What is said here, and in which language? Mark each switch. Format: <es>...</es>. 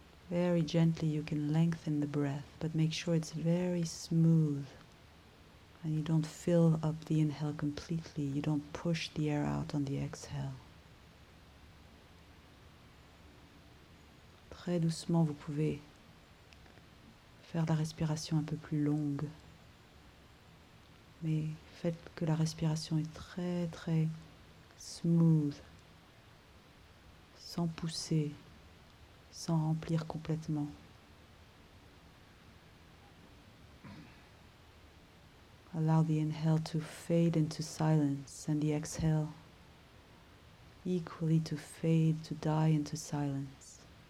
<en>Very gently you can lengthen the breath, but make sure it's very smooth and you don't fill up the inhale completely, you don't push the air out on the exhale.</en> <fr>Très doucement, vous pouvez faire la respiration un peu plus longue, mais faites que la respiration est très très smooth, sans pousser, sans remplir complètement.</fr> <en>Allow the inhale to fade into silence and the exhale equally to fade, to die into silence.</en>